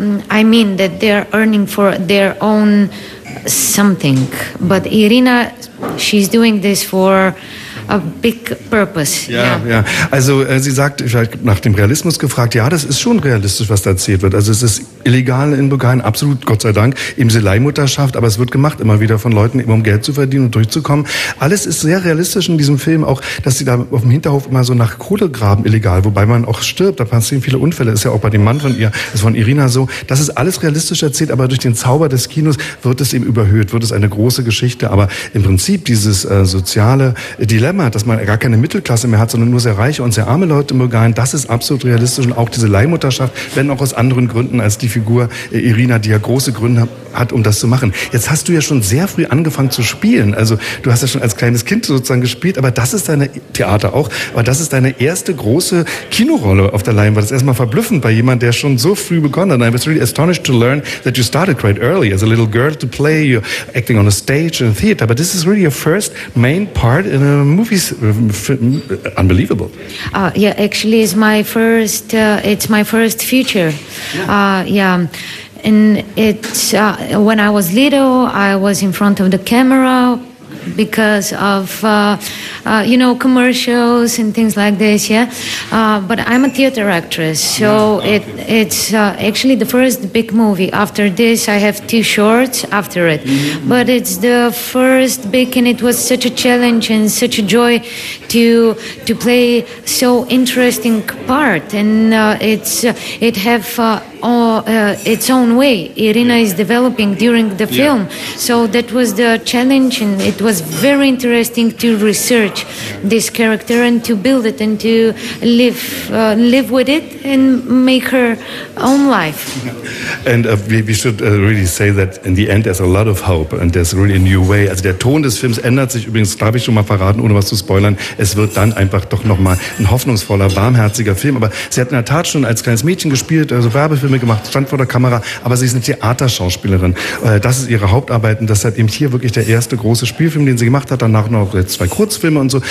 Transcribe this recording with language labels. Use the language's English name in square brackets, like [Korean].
[English] I mean that they're earning for their own something, but Irina, she's doing this for a big purpose. [German] Ja. Also sie sagt, ich habe nach dem Realismus gefragt, ja, das ist schon realistisch, was da erzählt wird. Also es ist illegal in Bulgarien, absolut, Gott sei Dank, eben diese Leihmutterschaft, aber es wird gemacht immer wieder von Leuten, eben um Geld zu verdienen und durchzukommen. Alles ist sehr realistisch in diesem Film, auch, dass sie da auf dem Hinterhof immer so nach Kohle graben, illegal, wobei man auch stirbt, da passieren viele Unfälle, ist ja auch bei dem Mann von ihr, ist von Irina so. Das ist alles realistisch erzählt, aber durch den Zauber des Kinos wird es eben überhöht, wird es eine große Geschichte, aber im Prinzip dieses soziale Dilemma, dass man gar keine Mittelklasse mehr hat, sondern nur sehr reiche und sehr arme Leute in Bulgarien, das ist absolut realistisch. Und auch diese Leihmutterschaft, wenn auch aus anderen Gründen als die Figur Irina, die ja große Gründe hat, um das zu machen. Jetzt hast du ja schon sehr früh angefangen zu spielen. Also du hast ja schon als kleines Kind sozusagen gespielt, aber das ist deine, Theater auch, aber das ist deine erste große Kinorolle auf der Leinwand. Das ist erstmal verblüffend bei jemand, der schon so früh begonnen hat. [English] I was really astonished to learn that you started quite early as a little girl to play, you're acting on a stage in a theater, but this is really your first main part in a movie. Unbelievable. Actually it's my first feature. And it's when I was little, I was in front of the camera because of commercials and things like this. Yeah, but I'm a theater actress, so it's actually the first big movie. After this, I have two shorts after it, but it's the first big, and it was such a challenge and such a joy to play so interesting part, and its own way. Irina is developing during the film, so that was the challenge, and it was very interesting to research this character and to build it and to live with it and make her own life. And we should really say that in the end there's a lot of hope and there's really a new way. [German] Also der Ton des Films ändert sich übrigens, darf ich schon mal verraten, ohne was zu spoilern, es wird dann einfach doch nochmal ein hoffnungsvoller, warmherziger Film. Aber sie hat in der Tat schon als kleines Mädchen gespielt, also Werbefilme gemacht, stand vor der Kamera, aber sie ist eine Theaterschauspielerin. Das ist ihre Hauptarbeit und deshalb eben hier wirklich der erste große Spielfilm, den sie gemacht hat, danach noch jetzt zwei Kurzfilme und so.